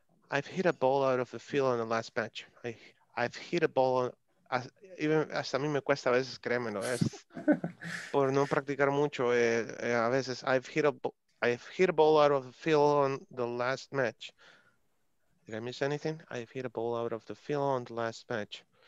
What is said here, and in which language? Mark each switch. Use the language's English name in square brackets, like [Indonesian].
[English] I've hit a ball out of the field on the last match. I've hit a ball on, even [Spanish] hasta a mí me cuesta a veces, créemelo, es por no practicar mucho, a veces. [English] I've hit a ball out of the field on the last match. Did I miss anything? I've hit a ball out of the field on the last match.